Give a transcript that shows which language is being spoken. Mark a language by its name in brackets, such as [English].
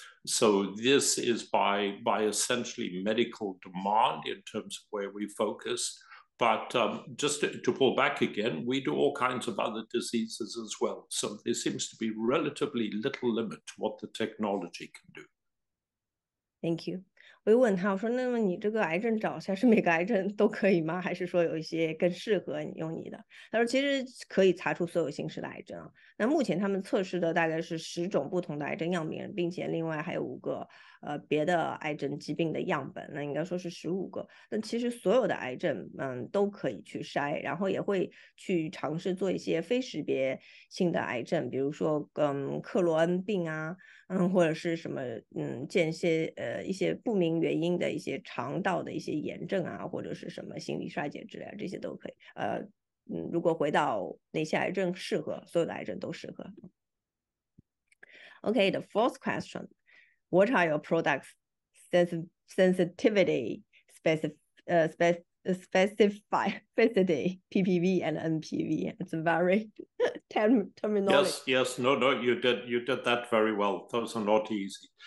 [English] So this is by essentially medical demand in terms of where we focus. But just to pull back again, we do all kinds of other diseases as well. So there seems to be relatively little limit to what the technology can do. Thank you. [Chinese] 我又问他，我说那么你这个癌症找下是每个癌症都可以吗？还是说有一些更适合你用你的？他说其实可以查出所有形式的癌症。那目前他们测试的大概是10种不同的癌症样本，并且另外还有5个别的癌症疾病的样本，那应该说是15个。那其实所有的癌症都可以去筛，然后也会去尝试做一些非识别性的癌症，比如说克罗恩病啊，或者是什么间歇一些不明原因的一些肠道的一些炎症啊，或者是什么心理衰竭之类的，这些都可以。如果回到哪些癌症适合，所有的癌症都适合。 [English] OK, the fourth question. What are your products sensitivity specificity, PPV and NPV? It's very terminology. Yes, no, you did that very well. Those are not easy.